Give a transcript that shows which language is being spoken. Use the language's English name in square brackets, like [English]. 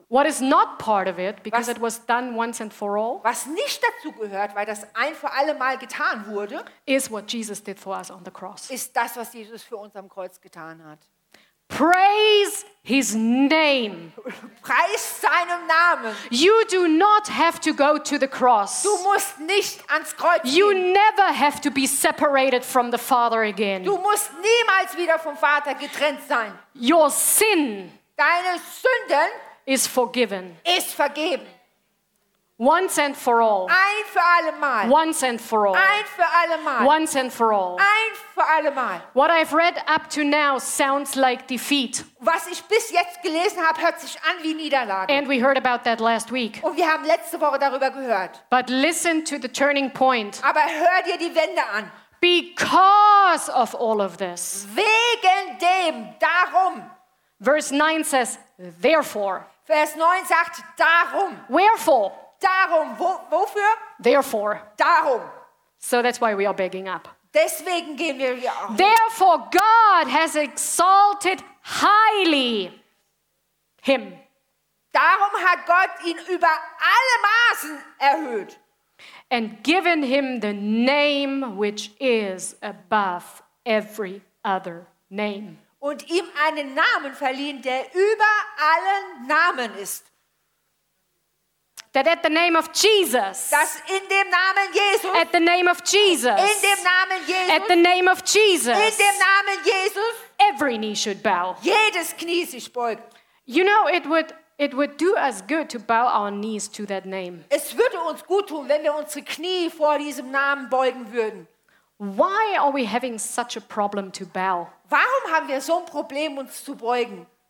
[English] What is not part of it, because it was done once and for all, [German] was nicht dazu gehört, weil das ein für alle Mal getan wurde, [English] is what Jesus did for us on the cross. [German] Ist das, was Jesus für uns am Kreuz getan hat. [English] Praise his name. [German] Preis seinem Namen. [English] You do not have to go to the cross. [German] Du musst nicht ans Kreuz gehen. [English] You never have to be separated from the Father again. [German] Du musst niemals wieder vom Vater getrennt sein. [English] Your sin, [German] deine Sünden, [English] is forgiven. [German] Ist vergeben. [English] Once and for all. [German] Ein für alle Mal. [English] Once and for all. [German] Ein für alle Mal. [English] Once and for all. [German] Ein für alle Mal. [English] What I've read up to now sounds like defeat. [German] Was ich bis jetzt gelesen habe, hört sich an wie Niederlage. [English] And we heard about that last week. [German] Und wir haben letzte Woche darüber gehört. [English] But listen to the turning point. [German] Aber hör dir die Wende an. [English] Because of all of this. [German] Wegen dem, darum. [English] Verse 9 says, therefore. [German] Vers 9 sagt, darum. [English] Wherefore? [German] Darum. Wofür? [English] Therefore. [German] Darum. [English] So that's why we are begging up. [German] Deswegen gehen wir hier auf. [English] Therefore, God has exalted highly him. [German] Darum hat Gott ihn über alle Maßen erhöht. [English] And given him the name which is above every other name. [German] Und ihm einen Namen verliehen, der über allen Namen ist. [English] That at the name of Jesus. [German] Dass in dem Namen Jesus. [English] At the name of Jesus. [German] In dem Namen Jesus. [English] At the name of Jesus. [German] In dem Namen Jesus. [English] Every knee should bow. [German] Jedes Knie sich beugt. [English] You know, it would do us good to bow our knees to that name. [German] Es würde uns gut tun, wenn wir unsere Knie vor diesem Namen beugen würden. [English] Why are we having such a problem to bow? [German] Warum haben wir so ein Problem, uns zu beugen?